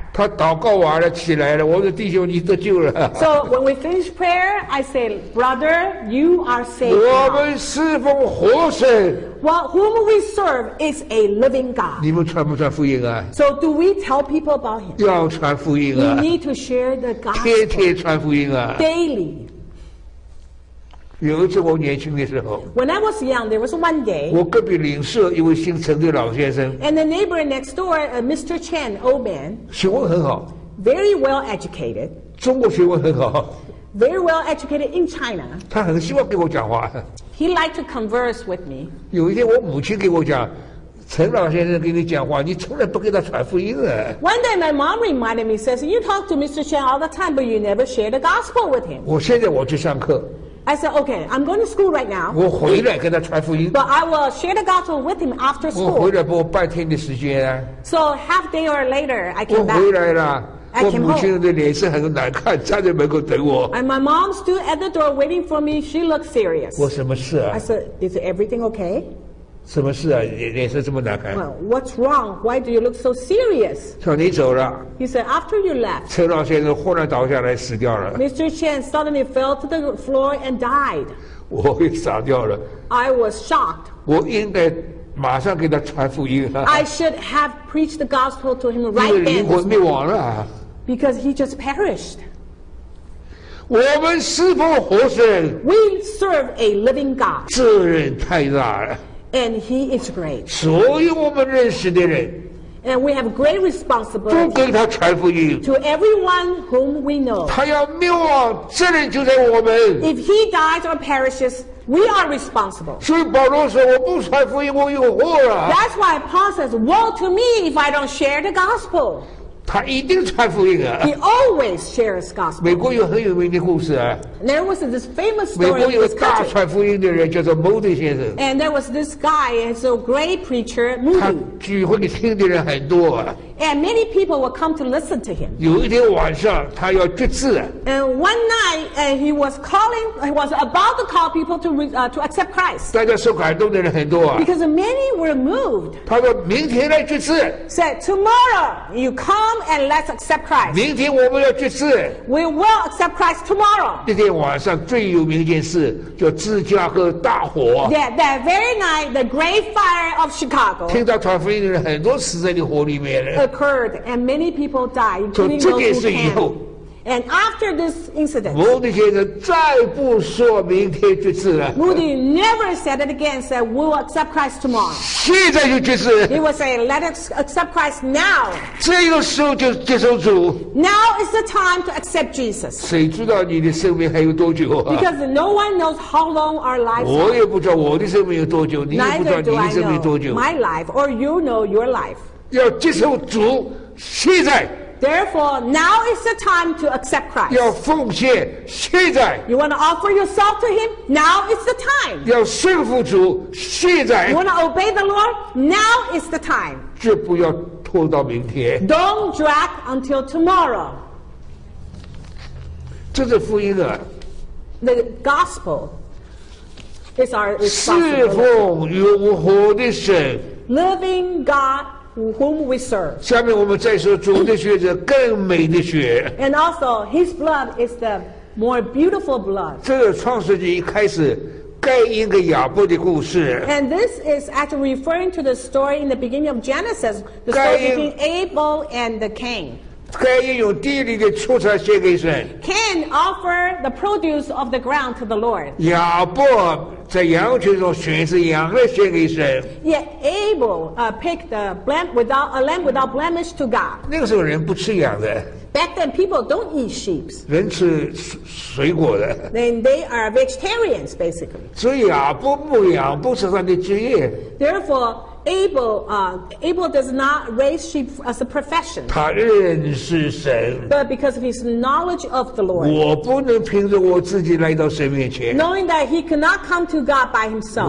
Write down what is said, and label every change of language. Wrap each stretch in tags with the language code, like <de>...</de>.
<zh>他祷告完了，起来了。我说弟兄，你得救了。</zh> <en>So when we finish prayer, I say, "Brother, you are saved."</en> <zh>我们侍奉活神。</zh> <en>Well, whom we serve is a living God.</en> <zh>你们传不传福音啊？</zh> <en>So do we tell people about him?</en> <zh>要传福音啊！</zh> <en>We need to share the gospel.</en> <zh>天天传福音啊！</zh> <en>Daily.</en> <zh>有一次我年轻的时候，</zh> <en>When I was young, there was one day.</en> <zh>我隔壁邻舍一位姓陈的老先生。</zh> <en>And the neighbor next door, a Mr. Chen, old man.</en> <zh>学问很好。</zh> <en>Very well educated.</en> <zh>中国学问很好。</zh> <en>Very well educated in China.</en> <zh>他很希望跟我讲话。</zh> <en>He liked to converse with me.</en> <zh>有一天我母亲给我讲，陈老先生跟你讲话，你从来不给他传福音啊。</zh> <en>One day my mom reminded me, says, "You talk to Mr. Chen all the time, but you never share the gospel with him."</en> <zh>我现在我去上课。</zh> <en>I said, okay, I'm going to school right now.</en> <zh>我回来跟他传福音。</zh> <en>But I will share the gospel with him after school.</en> <zh>我回来不半天的时间啊。</zh> <en>So half day or later, I came back.</en> <zh>我回来了。我母亲的脸色很难看，站在门口等我。</zh> <en>And my mom stood at the door waiting for me. She looked serious.</en> <zh>我什么事啊</zh> <en>？I said, is everything okay?</en> <zh>什么事啊？脸色这么难看。</zh> <en>Well, what's wrong? Why do you look so serious?</en> <zh>说你走了。</zh> <en>He said, after you left.</en> <zh>车老先生忽然倒下来死掉了。</zh> <en>Mr. Chen suddenly fell to the floor and died.</en> <zh>我也傻掉了。</zh> <en>I was shocked.</en> <zh>我应该马上给他传福音啊。</zh> <en>I should have preached the gospel to him right then.</en> <zh>因为灵魂灭亡了。</zh> <en>Because he just perished.</en> <zh>我们侍奉活神。</zh> <en>We serve a living God.</en> <zh>责任太大了。</zh> <en>And he is great.</en> <zh>所以我们认识的人</zh> <en>And we have great responsibility.</en> <zh>都给他传福音</zh> <en>To everyone whom we know.</en> <zh>他要灭亡，责任就在我们</zh> <en>If he dies or perishes, we are responsible.</en> <zh>所以保罗说，我不传福音，我有祸了</zh> <en>That's why Paul says, woe to me if I don't share the gospel.</en> <zh>他一定传福音啊</zh> <en>He always shares gospel.</en> <zh>美国有很有名的故事啊</zh> <en>There was this famous story.</en> <zh>美国有个大传福音的人叫做 Moody 先生。</zh> <en>And there was this guy, he's a great preacher, Moody.</en> <zh>他聚会里听的人很多、啊。</zh> <en>And many people would come to listen to him.</en> <zh>有一天晚上，他要决志。</zh> <en>And one night, he was calling, he was about to call people to accept Christ.</en> <zh>大家受感动的人很多、啊。</zh> <en>Because many were moved.</en> <zh>他说明天来决志。</zh> <en>Said tomorrow, you come and let's accept Christ.</en> <zh>明天我们要决志。</zh> <en>We will accept Christ tomorrow.</en> <zh>晚上最有名一件事叫芝加哥大火。</zh> <en>That very night, the great fire of Chicago.</en> <zh>听到传福音的人很多死在那火里面了。</zh> <en>Occurred and many people died.</en> <zh>从这件事以后</zh> <en>，and after this incident,</en> <zh>Moody 先生再不说明天决志了。</zh> <en>Moody never said it again. Said we will accept Christ tomorrow.</en> <zh>现在就决志。</zh> <en>He was saying, "Let us accept Christ now."</en> <zh>这个时候就接受主。</zh> <en>Now is the time to accept Jesus.</en> <zh>谁知道你的生命还有多久、啊、</zh> <en>？Because no one knows how long our lives.</en> <zh>我也不知道我的生命有多久，你也不知道你的生命多久。</zh> <en>My life, or you know your life.</en> <zh>要接受主，现在。</zh> <en>Therefore, now is the time to accept Christ.</en> <zh>要奉献，现在。</zh> <en>You want to offer yourself to Him? Now is the time.</en> <zh>要顺服主，现在。</zh> <en>You want to obey the Lord? Now is the time.</en> <zh>绝不要拖到明天。</zh> <en>Don't drag until tomorrow.</en> <zh>这是福音啊。</zh> <en>The gospel is our responsibility.</en> <zh>侍奉永活的神。</zh> <en>Living God. Whom we serve.</en> <zh>下面我们再说主的血是更美的血。</zh> <en>And also, His blood is the more beautiful blood.</en> <zh>这个创世纪一开始，该因跟亚伯的故事。</zh> <en>And this is actually referring to the story in the beginning of Genesis, the story between Abel and the Cain.</en> <zh>该因用地里的出产献给神。</zh> <en>Cain offered the produce of the ground to the Lord.</en> <zh>亚伯。在羊群中选一只羊来献给神。</zh> <en>Yet Abel picked a lamb without blemish to God.</en> <zh>那个时候人不吃羊的。</zh> <en>Back then people don't eat sheep.</en> <zh>人吃水果的。</zh> <en>Then they are vegetarians basically.</en> <zh>所以亚伯牧羊不是他的职业。</zh> <en>Therefore Abel does not raise sheep as a profession.</en> <zh>他认识神。</zh> <en>But because of his knowledge of the Lord.</en> <zh>我不能凭着我自己来到神面前。</zh> <en>Knowing that he cannot come to God by himself.</en>